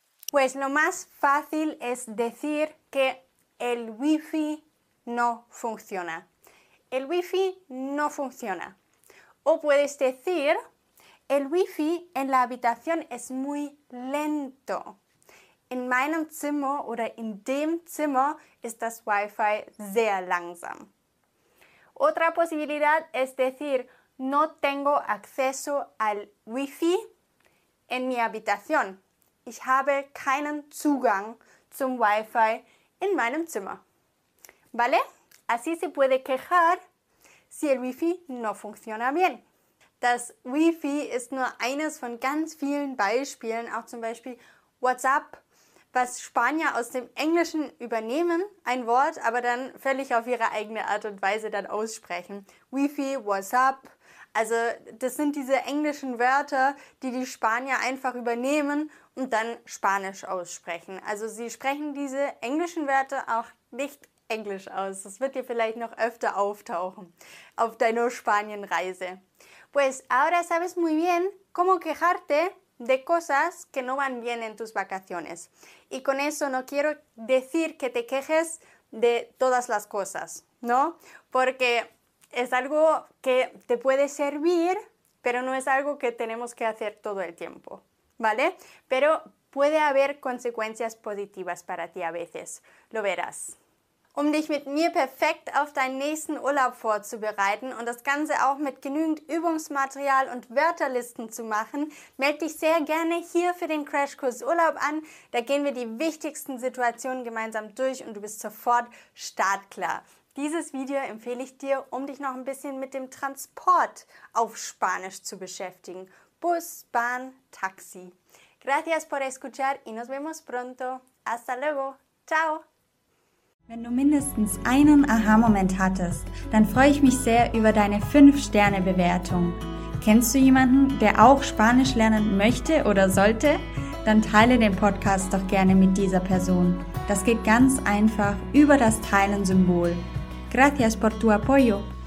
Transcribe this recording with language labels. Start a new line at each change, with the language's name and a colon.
Spanish: Pues lo más fácil es decir que el wifi no funciona. El wifi no funciona. O puedes decir, el wifi en la habitación es muy lento.
German: In meinem Zimmer oder in dem Zimmer ist das Wi-Fi sehr langsam.
Spanish: Otra posibilidad es decir, no tengo acceso al Wi-Fi en mi habitación.
German: Ich habe keinen Zugang zum Wi-Fi in meinem Zimmer.
Spanish: ¿Vale? Así se puede quejar si el Wi-Fi no funciona bien.
German: Das Wi-Fi ist nur eines von ganz vielen Beispielen, auch zum Beispiel WhatsApp, was Spanier aus dem Englischen übernehmen, ein Wort, aber dann völlig auf ihre eigene Art und Weise dann aussprechen. Wi-Fi, WhatsApp, also das sind diese englischen Wörter, die die Spanier einfach übernehmen und dann Spanisch aussprechen. Also sie sprechen diese englischen Wörter auch nicht Englisch aus. Das wird dir vielleicht noch öfter auftauchen auf deiner Spanienreise.
Spanish: Pues ahora sabes muy bien cómo quejarte de cosas que no van bien en tus vacaciones. Y con eso no quiero decir que te quejes de todas las cosas, ¿no? Porque es algo que te puede servir, pero no es algo que tenemos que hacer todo el tiempo, ¿vale? Pero puede haber consecuencias positivas para ti a veces, lo verás.
German: Um dich mit mir perfekt auf deinen nächsten Urlaub vorzubereiten und das Ganze auch mit genügend Übungsmaterial und Wörterlisten zu machen, melde dich sehr gerne hier für den Crashkurs Urlaub an. Da gehen wir die wichtigsten Situationen gemeinsam durch und du bist sofort startklar. Dieses Video empfehle ich dir, um dich noch ein bisschen mit dem Transport auf Spanisch zu beschäftigen. Bus, Bahn, Taxi.
Spanish: Gracias por escuchar y nos vemos pronto. Hasta luego. Ciao.
German: Wenn du mindestens einen Aha-Moment hattest, dann freue ich mich sehr über deine 5-Sterne-Bewertung. Kennst du jemanden, der auch Spanisch lernen möchte oder sollte? Dann teile den Podcast doch gerne mit dieser Person. Das geht ganz einfach über das Teilen-Symbol.
Spanish: Gracias por tu apoyo.